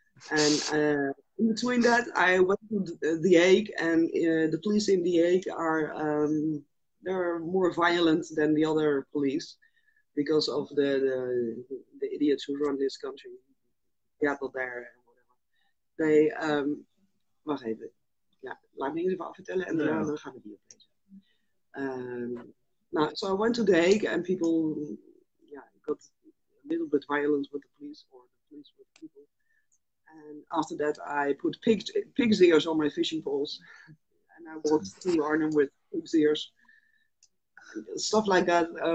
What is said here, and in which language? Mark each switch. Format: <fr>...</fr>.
<en>And in between that, I went to The Hague, and the police in The Hague are they're more violent than the other police because of the idiots who run this country. Gather there and whatever. They,</en> <nl>wacht even. Ja, laat me eens even vertellen en dan gaan we die oplezen.</nl> <en>Now, so I went to The Hague, and people got a little bit violent with the police or the police with people. And after that, I put pig's ears on my fishing poles. And I walked through Arnhem with pig's ears. Stuff like that.</en>